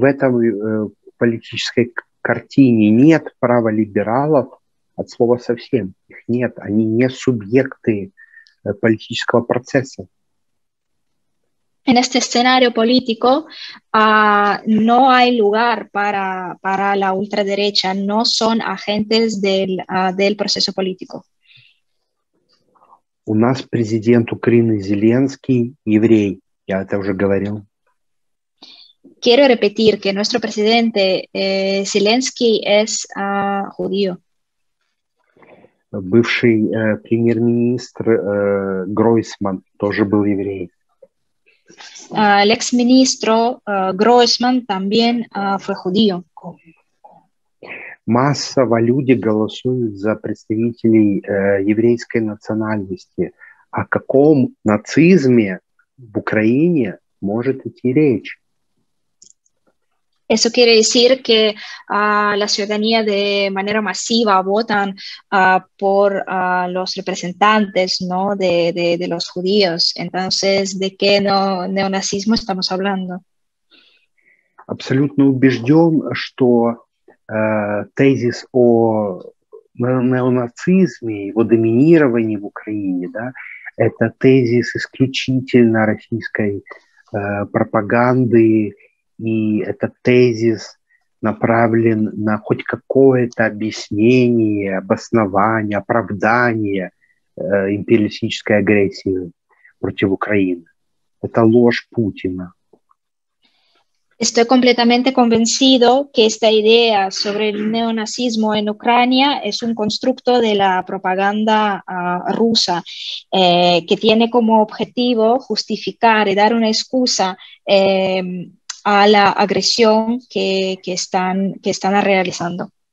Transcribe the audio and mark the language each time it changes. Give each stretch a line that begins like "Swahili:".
Russian: В этой политической картине нет праволибералов от слова совсем. Их нет, они не субъекты политического процесса.
Spanish: En este escenario político no hay lugar para la ultraderecha, no son agentes del proceso político.
Russian: У нас президент Украины Зеленский еврей, я это уже говорил.
Spanish: Quiero repetir que nuestro presidente Zelensky es judío.
Russian: Бывший премьер-министр Гройсман тоже был еврей.
Spanish: El exministro Гройсман también fue judío.
Russian: Массово люди голосуют за представителей еврейской национальности. О каком нацизме в Украине может идти речь?
Spanish: Eso quiere decir que la ciudadanía de manera masiva votan por los representantes, ¿no? De los judíos. Entonces, ¿de qué neonazismo estamos hablando?
Russian: Абсолютно убежден, что тезис о неонацизме, его доминировании в Украине, да, это тезис исключительно российской пропаганды, и этот тезис направлен на хоть какое-то объяснение, обоснование, оправдание империалистической агрессии против Украины. Это ложь Путина.
Spanish: Estoy completamente convencido que esta idea sobre el neonazismo en Ucrania es un constructo de la propaganda rusa, que tiene como objetivo justificar y dar una excusa a la agresión que están realizando.